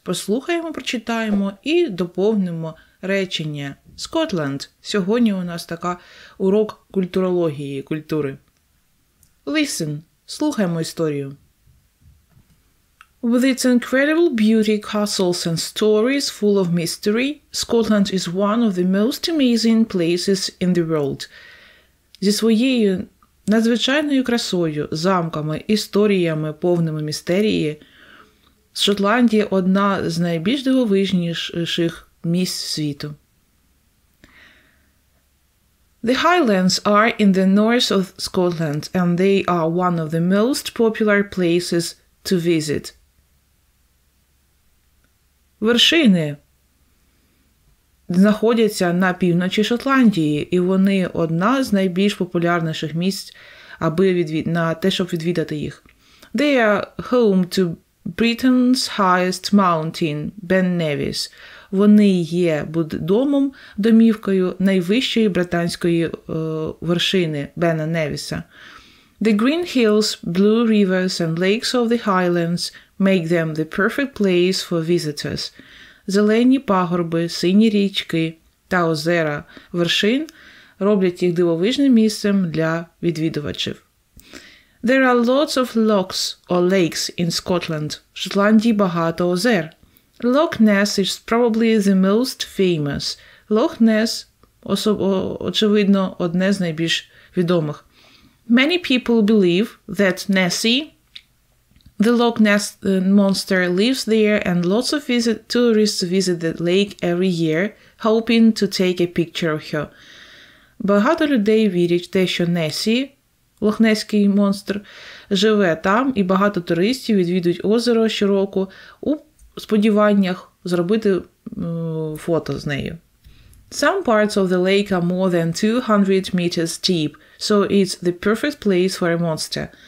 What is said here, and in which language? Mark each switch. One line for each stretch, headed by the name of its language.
Ukrainian: Послухаємо, прочитаємо і доповнимо речення.
English: Scotland.
Ukrainian: Сьогодні у нас така урок культурології, культури.
English: Listen.
Ukrainian: Слухаємо історію.
English: With its incredible beauty, castles and stories full of mystery, Scotland is one of the most amazing places in the world.
Ukrainian: Зі своєю надзвичайною красою, замками, історіями, повними містерії, Шотландія – одна з найбільш дивовижніших місць світу.
English: The Highlands are in the north of Scotland and they are one of the most popular places to visit.
Ukrainian: Вершини знаходяться на півночі Шотландії, і вони одна з найбільш популярніших місць, аби щоб відвідати їх.
English: They are home to Britain's highest mountain, Ben Nevis.
Ukrainian: Вони є домом, домівкою найвищої британської вершини Бена Невіса.
English: The green hills, blue rivers and lakes of the Highlands make them the perfect place for visitors.
Ukrainian: Зелені пагорби, сині річки та озера вершин роблять їх дивовижним місцем для відвідувачів.
English: There are lots of lochs or lakes in Scotland.
Ukrainian: В Шотландії багато озер.
English: Loch Ness is probably the most famous. Loch Ness,
Ukrainian: очевидно, одне з найбільш відомих.
English: Many people believe that Nessie, the Loch Ness monster, lives there and lots of tourists visit the lake every year, hoping to take a picture of her.
Ukrainian: Багато людей вірять те, що Nessie, лохнеський монстр, живе там, і багато туристів відвідують озеро щороку у сподіваннях зробити фото з нею.
English: Some parts of the lake are more than 200 meters deep, so it's the perfect place for a monster.